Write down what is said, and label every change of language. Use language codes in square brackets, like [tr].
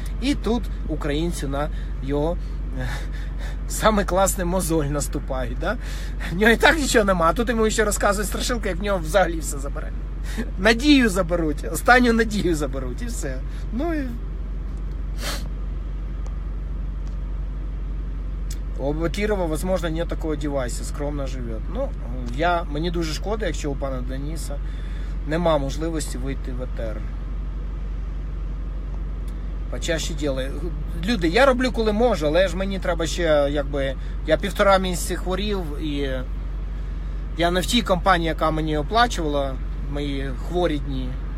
[uk] І тут українці на його саме класний мозоль наступають, да? В нього і так нічого немає, а тут йому ще розказують страшилки, як в нього взагалі все забере. Надію заберуть, останню надію заберуть, і все. Ну і... [ru] У Батірова, возможно, нет такого девайса, скромно живет. [uk] Ну, я, мені дуже шкода, якщо у пана Дениса нема можливості вийти в ЕТР. [ru] Почаще делаю. [uk] Люди, я роблю, коли можу, але ж мені треба ще, якби, я півтора місяці хворів, і я не в тій компанії, яка мені оплачувала мої хворі дні.